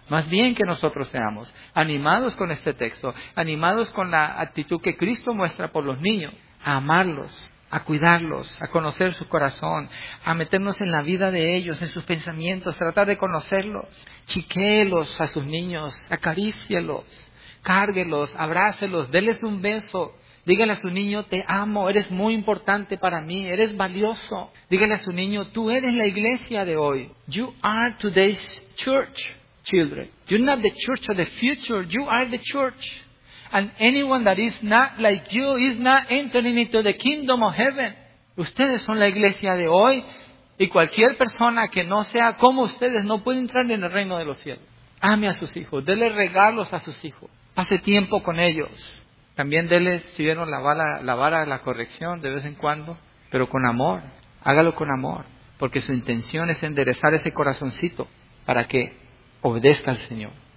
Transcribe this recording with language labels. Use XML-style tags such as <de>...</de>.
<es>Más bien que nosotros seamos animados con este texto, animados con la actitud que Cristo muestra por los niños, a amarlos, a cuidarlos, a conocer su corazón, a meternos en la vida de ellos, en sus pensamientos, tratar de conocerlos, chiquéelos a sus niños, acarícielos, cárguelos, abrácelos, déles un beso, dígale a su niño, te amo, eres muy importante para mí, eres valioso, dígale a su niño, tú eres la iglesia de hoy,</es> <en>you are today's church. Children, you're not the church of the future, you are the church. And anyone that is not like you is not entering into the kingdom of heaven.</en> <es>Ustedes son la iglesia de hoy, y cualquier persona que no sea como ustedes no puede entrar en el reino de los cielos. Ame a sus hijos, dele regalos a sus hijos, pase tiempo con ellos. También dele, si vieron la vara de la corrección de vez en cuando, pero con amor, hágalo con amor, porque su intención es enderezar ese corazoncito para que obedezca al Señor.</es>